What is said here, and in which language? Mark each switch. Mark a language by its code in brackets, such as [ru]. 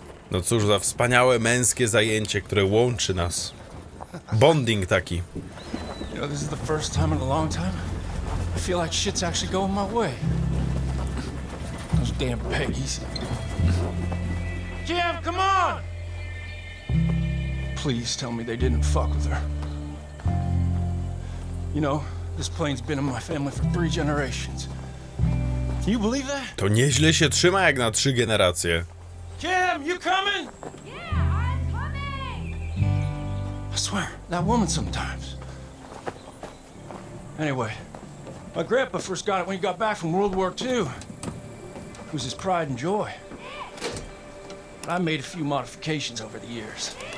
[pl] No cóż za wspaniałe męskie zajęcie, które łączy nas. Bonding taki. [en] You know, this is the first time in a long time. I feel like shit's actually going my way. Those damn Peggy's. Jim, come on! Please tell me they didn't fuck with her. You know, this plane's been in my family for 3 generations. Can you believe that? [pl] To nieźle się trzyma jak na 3 generacje. [en] Jim, you coming? Yeah, I'm coming! I swear, that woman sometimes. Anyway, my grandpa first got it when he got back from World War II. It was his pride and joy. But I made a few modifications over the years.